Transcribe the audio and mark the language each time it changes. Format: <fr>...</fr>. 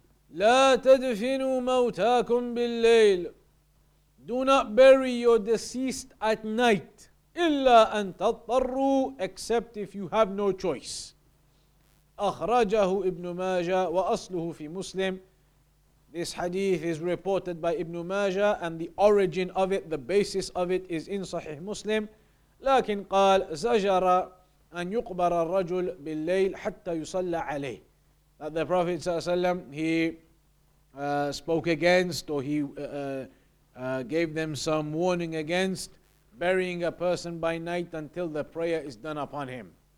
<ar>لا تدفنوا موتاكم بالليل.</ar> <en>Do not bury your deceased at night.</en> <ar>إلا أن تضطروا,</ar> <en>except if you have no choice.</en> <ar>أخرجه ابن ماجة وأصله في مسلم.</ar> <en>This hadith is reported by Ibn Majah, and the origin of it, the basis of it, is in Sahih Muslim.</en> <ar>لكن قال زجر أن يقبر الرجل بالليل حتى يصلى عليه.</ar> <en>That the Prophet ﷺ, he gave them some warning against burying a person by night until the prayer is done upon him.</en>